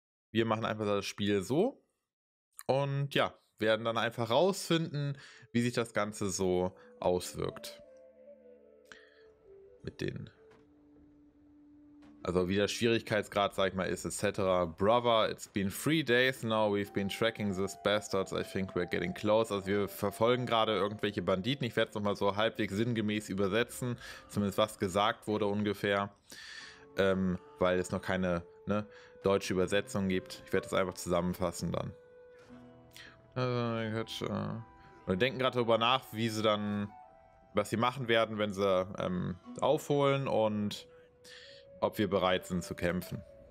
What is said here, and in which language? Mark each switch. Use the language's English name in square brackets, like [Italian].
[German] Wir machen einfach das Spiel so und ja, werden dann einfach rausfinden, wie sich das Ganze so auswirkt. Mit den, also wie der Schwierigkeitsgrad, sag ich mal, ist, etc. [English] Brother, it's been 3 days now, we've been tracking these bastards, I think we're getting close. [German] Also wir verfolgen gerade irgendwelche Banditen, ich werde es nochmal so halbwegs sinngemäß übersetzen, zumindest was gesagt wurde ungefähr, weil es noch keine, ne, deutsche Übersetzung gibt. Ich werde das einfach zusammenfassen dann. Wir denken gerade darüber nach, wie sie dann, was sie machen werden, wenn sie aufholen und ob wir bereit sind zu kämpfen.